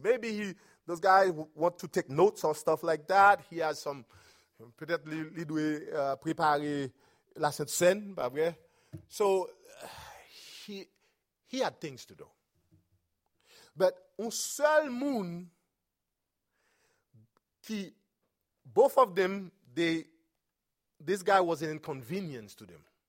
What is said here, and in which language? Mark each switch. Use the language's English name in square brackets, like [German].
[English] Maybe those guys want to take notes or stuff like that. He has some, [French] peut-être il doit préparer la Sainte Cène, pas vrai? [English] So, he had things to do. But [French] un seul moun qui, [English] both of them, this guy was an inconvenience to them.